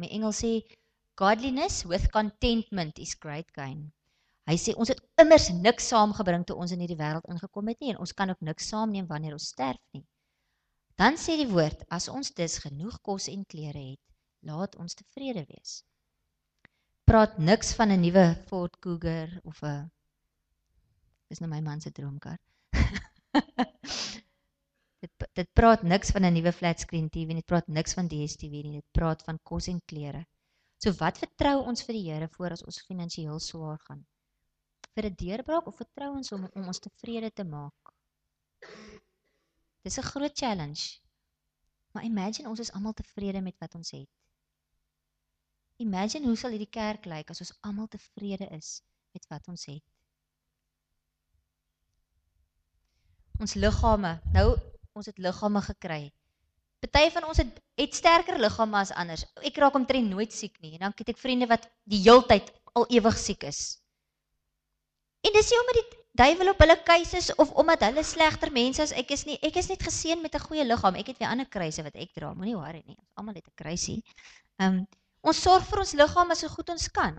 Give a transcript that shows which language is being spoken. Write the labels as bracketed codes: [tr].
[af] Die Engels sê: [en] "Godliness with contentment is great gain." [af] Hy sê ons het immers niks saamgebring toe ons in hierdie wêreld ingekom het nie en ons kan ook niks saamneem wanneer ons sterf nie. Dan sê die woord, as ons dus genoeg kos en klere het, laat ons tevrede wees. Praat niks van 'n nuwe Ford Cougar of 'n dis nou my man se droomkar. dit praat niks van 'n nuwe flat screen TV, dit praat niks van DStv nie, dit praat van kos en klere. So wat vertrou ons vir die Here voor as ons finansiëel swaar gaan? Vir 'n deurbraak of vertrou ons om ons tevrede te maak? Dis 'n groot challenge. Maar imagine ons is almal tevrede met wat ons het. Imagine hoe sal hierdie kerk lyk as ons almal tevrede is met wat ons het. Ons liggame. Nou, ons het liggame gekry. Party van ons het sterker liggame as anders. Ek raak omtrent nooit siek nie. En dan het ek vriende wat die heeltyd al ewig siek is. En dis nie omdat die duivel op hulle keuse is of omdat hulle slegter mense as ek is nie. Ek is net geseën met 'n goeie liggaam. Ek het weer ander kruise wat ek dra. Moenie worry nie. Ons almal het 'n kruisie. Ons sorg vir ons liggaam as so goed ons kan.